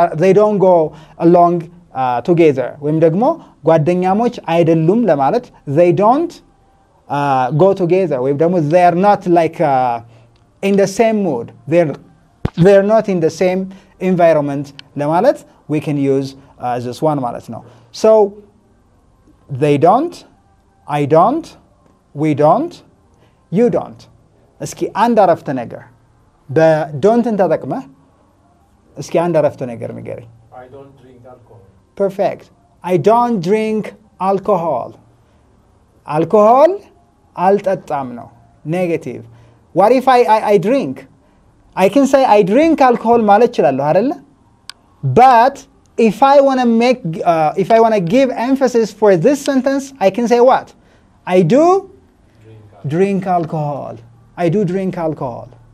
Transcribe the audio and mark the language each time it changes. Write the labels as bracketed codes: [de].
[en] They don't go along together. [am] ወይም ደግሞ ጓደኛሞች አይደሉም ለማለት [en] they don't go together. [am] ወይም ደግሞ [en] they are not like in the same mood. They're not in the same environment ለማለት we can use this one [am] ማለት ነው. [en] So they don't, I don't, we don't, you don't. [am] እስኪ አንድ አረፍተ ነገር በdon't እንተጠቅመ እስኪ አንድ አረፍተ ነገር ንገሪ. [en] I don't drink alcohol. Perfect. I don't drink alcohol. [am] Alcohol አልጠጣም ነው. [en] Negative. What if I drink? I can say I drink alcohol [am] ማለት ይችላል አይደል? [en] But if I want to give emphasis for this sentence, I can say what? I do drink alcohol. I do drink alcohol.